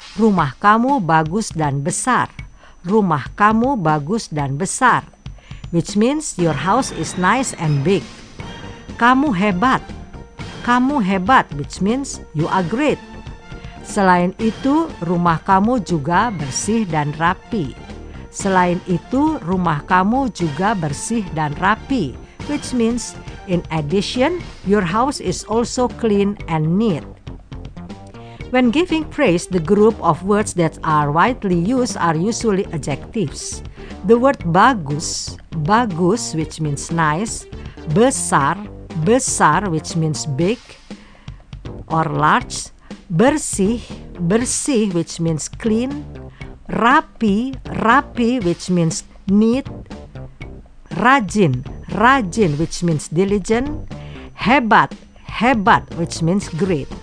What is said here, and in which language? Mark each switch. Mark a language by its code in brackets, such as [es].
[id] Rumah kamu bagus dan besar. Rumah kamu bagus dan besar. [en] Which means your house is nice and big. [id] Kamu hebat. Kamu hebat, [en] which means you are great. [id] Selain itu, rumah kamu juga bersih dan rapi. Selain itu, rumah kamu juga bersih dan rapi. [en] Which means, in addition, your house is also clean and neat. When giving praise, the group of words that are widely used are usually adjectives. The word bagus, which means nice, besar, which means big or large, bersih, which means clean, rapi, which means neat, rajin, which means diligent, hebat, which means great.